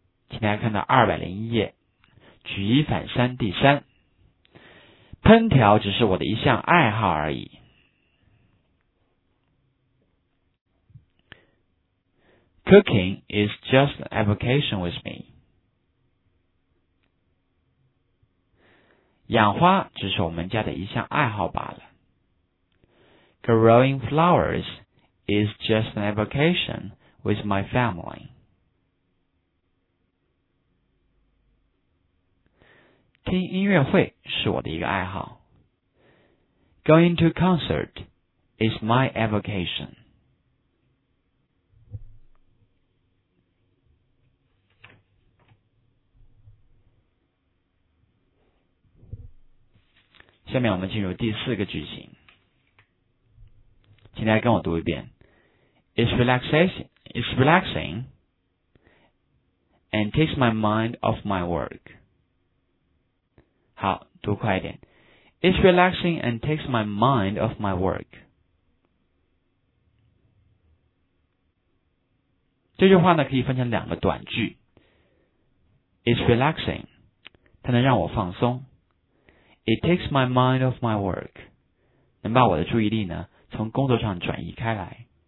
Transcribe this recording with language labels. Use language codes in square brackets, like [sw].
[zh] 请大家看到201页，举一反三，第三，烹调只是我的一项爱好而已。 [en] Cooking is just an avocation with me. [zh] 养花只是我们家的一项爱好罢了。 [en] Growing flowers is just an avocation with my family. [zh] 听音乐会是我的一个爱好。 [en] Going to concert is my avocation. [zh] 下面我们进入第四个句型，请大家跟我读一遍。 [en] It's relaxing and takes my mind off my work. [zh] 好，读快一点。 [en] It's relaxing and takes my mind off my work. [zh] 这句话呢，可以分成两个短句。 [en] It's relaxing, [zh] 它能让我放松。 [en] It takes my mind off my work, [zh] 能把我的注意力呢，从工作上转移开来。